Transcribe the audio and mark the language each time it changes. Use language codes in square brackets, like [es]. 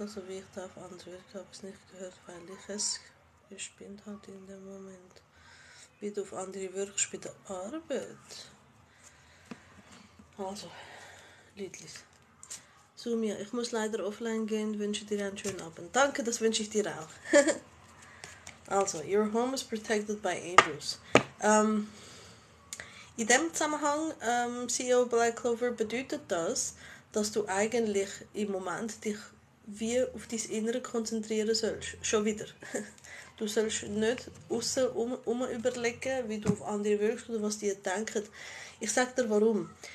[de] Also wie ich da auf andere wirke, habe ich es nicht gehört, weil ich es gespielt habe in dem Moment. Wie du auf andere wirkst bei der Arbeit. Also, Liedlis. Sumia, ich muss leider offline gehen, wünsche dir einen schönen Abend. Danke, das wünsche ich dir auch. [en] Also, your home is protected by angels. [de] In dem Zusammenhang, CEO Black Clover, bedeutet das, dass du eigentlich im Moment dich wie auf dein Innere konzentrieren sollst. Schon wieder. Du sollst nicht außen um überlegen, wie du auf andere wirkst oder was die denken. Ich sag dir warum.